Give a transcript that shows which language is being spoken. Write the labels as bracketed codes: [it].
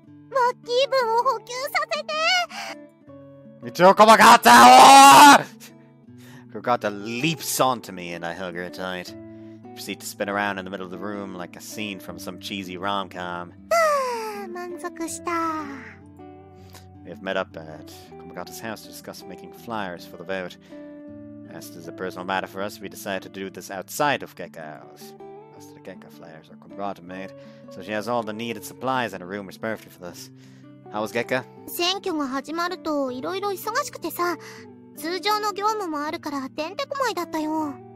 [ja] マッキー分を補給させて! Itokobagata! [en] Kogata leaps onto me and I hug her tight. Proceed to spin around in the middle of the room like a scene from some cheesy rom-com. [ja] Manzokushita. [en] We have met up at Komagata's house to discuss making flyers for the vote. As it is a personal matter for us, we decided to do this outside of Gekka House. Most of the Gekka flyers are Komagata made, so she has all the needed supplies and a room is perfect for this. How was Gekka? [ja] 選挙が始まると色々忙しくてさ、通常の業務もあるからてんてこまいだったよ。